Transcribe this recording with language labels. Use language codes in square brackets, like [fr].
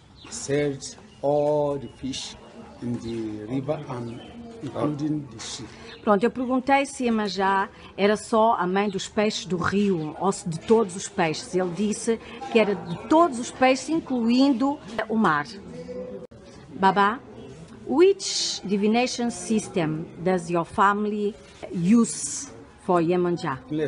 [en] serves all the fish in the river and including the sea. [pt] Pronto, eu perguntei se Yemanja era só a mãe dos peixes do rio ou se de todos os peixes. Ele disse que era de todos os peixes, incluindo o mar. [en] Baba, which divination system does your family use for Yemanja?